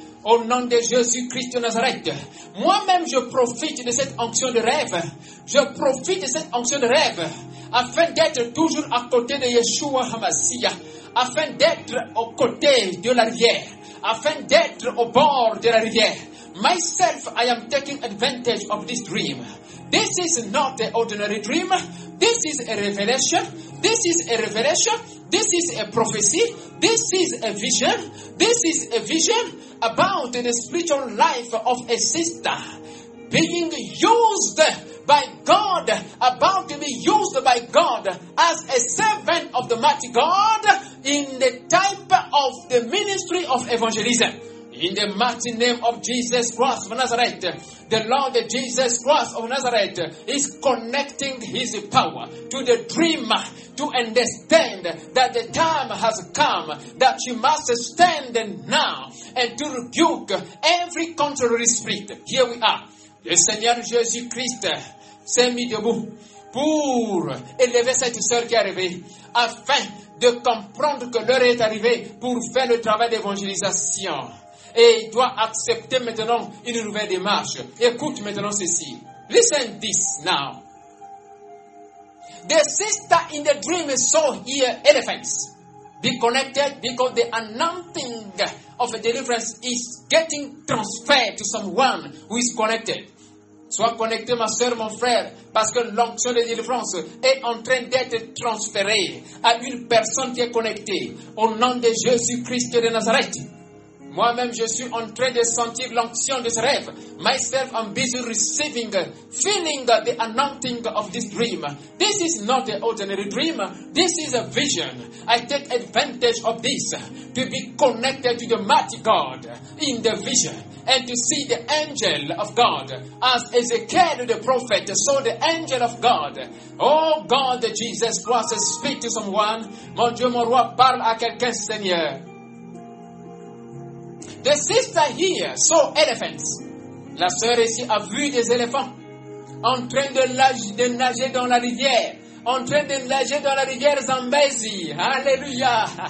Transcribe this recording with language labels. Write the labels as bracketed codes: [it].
[fr] Au nom de Jésus-Christ de Nazareth, moi-même je profite de cette onction de rêve. Je profite de cette onction de rêve afin d'être toujours à côté de Yeshua HaMashiach, afin d'être aux côtés de la rivière, afin d'être au bord de la rivière. [en] Myself, I am taking advantage of this dream. This is not an ordinary dream. This is a revelation. This is a revelation. This is a prophecy. This is a vision. This is a vision about the spiritual life of a sister being used by God, about to be used by God as a servant of the mighty God in the type of the ministry of evangelism. In the mighty name of Jesus Christ of Nazareth, the Lord Jesus Christ of Nazareth is connecting his power to the dream to understand that the time has come that you must stand now and to rebuke every contrary spirit. Here we are. [fr] Le Seigneur Jésus Christ s'est mis debout pour élever cette sœur qui est arrivée afin de comprendre que l'heure est arrivée pour faire le travail d'évangélisation. Et il doit accepter maintenant une nouvelle démarche. Écoute maintenant ceci. [en] Listen this now. The sister in the dream saw here elephants. Be connected because the anointing of a deliverance is getting transferred to someone who is connected. [fr] Sois connecté, ma soeur, mon frère, parce que l'onction de délivrance est en train d'être transférée à une personne qui est connectée. Au nom de Jésus-Christ de Nazareth. Moi-même, je suis en train de sentir l'onction de ce rêve. [en] Myself, I'm busy receiving, feeling the anointing of this dream. This is not an ordinary dream. This is a vision. I take advantage of this to be connected to the mighty God in the vision and to see the angel of God as Ezekiel the prophet saw the angel of God. Oh God, Jesus Christ, speak to someone. [fr] Mon Dieu, mon roi, parle à quelqu'un, Seigneur. [en] The sister here saw elephants. [fr] La sœur ici a vu des éléphants en train de nager dans la rivière. En train de nager dans la rivière Zambezi. Alléluia.